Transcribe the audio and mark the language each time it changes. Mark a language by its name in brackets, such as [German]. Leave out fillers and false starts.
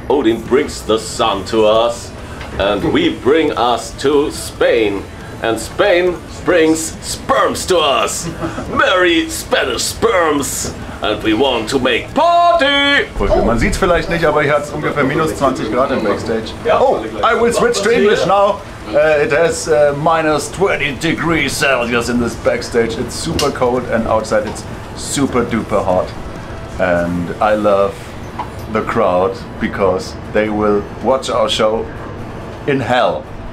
[English] Odin brings the sun to us, and we bring us to Spain, and Spain brings sperms to us. Merry Spanish sperms, and we want to make party. [German] Man sieht's vielleicht nicht, aber hier hat's ungefähr minus 20 Grad im Backstage. [English] Oh, I will switch to English now. It has minus 20 degrees Celsius in this backstage. It's super cold, and outside it's super duper hot. And I love the crowd because they will watch our show in hell.